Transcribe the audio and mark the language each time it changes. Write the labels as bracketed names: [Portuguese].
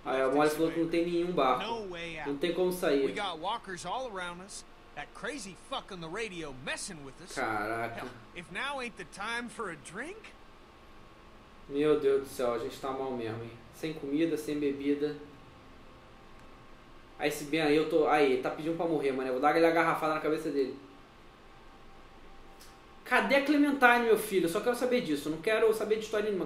[Portuguese] Aí a Molly falou que não tem nenhum barco. Não tem como sair. [English] We got walkers all around us. That crazy fuck on the radio messing with us. [Portuguese] Caraca. [English] If now ain't the time for a drink? [Portuguese] Meu Deus do céu, a gente tá mal mesmo, hein? Sem comida, sem bebida. Aí esse Ben aí, eu tô. Aí, ele tá pedindo pra morrer, mano. Eu vou dar aquela garrafada na cabeça dele. Cadê a Clementine, meu filho? Eu só quero saber disso. Eu não quero saber de história nenhuma.